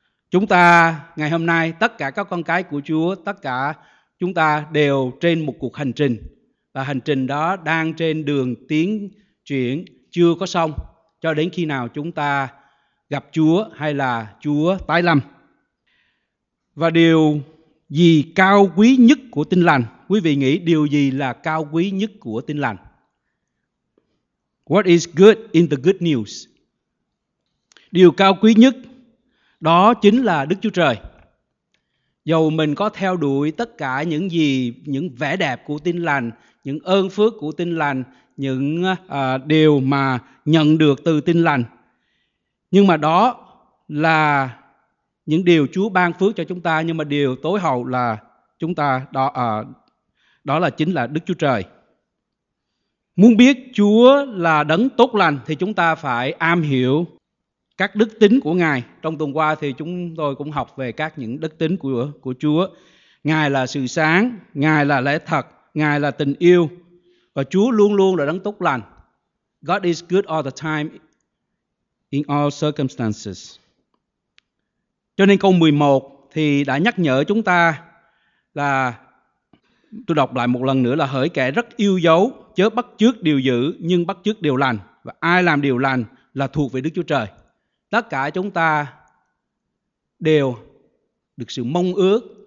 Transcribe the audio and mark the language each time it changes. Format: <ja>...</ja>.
<vi>Chúng ta ngày hôm nay, tất cả các con cái của Chúa, tất cả chúng ta đều trên một cuộc hành trình, và hành trình đó đang trên đường tiến chuyển, chưa có xong, cho đến khi nào chúng ta gặp Chúa hay là Chúa tái lâm. Và điều gì cao quý nhất của tin lành? Quý vị nghĩ điều gì là cao quý nhất của tin lành?</vi> <en>What is good in the good news?</en> <vi>Điều cao quý nhất đó chính là Đức Chúa Trời. Dù mình có theo đuổi tất cả những gì, những vẻ đẹp của tin lành, những ơn phước của tin lành, những điều mà nhận được từ tin lành, nhưng mà đó là những điều Chúa ban phước cho chúng ta, nhưng mà điều tối hậu là chúng ta đó là chính là Đức Chúa Trời. Muốn biết Chúa là đấng tốt lành thì chúng ta phải am hiểu các đức tính của Ngài. Trong tuần qua thì chúng tôi cũng học về các những đức tính của Chúa. Ngài là sự sáng, Ngài là lẽ thật, Ngài là tình yêu, và Chúa luôn luôn là đấng tốt lành.</vi> <en>God is good all the time in all circumstances.</en> <vi>Cho nên câu 11 thì đã nhắc nhở chúng ta là, tôi đọc lại một lần nữa là: hỡi kẻ rất yêu dấu, chớ bắt chước điều dữ, nhưng bắt chước điều lành. Và ai làm điều lành là thuộc về Đức Chúa Trời. Tất cả chúng ta đều được sự mong ước.</vi>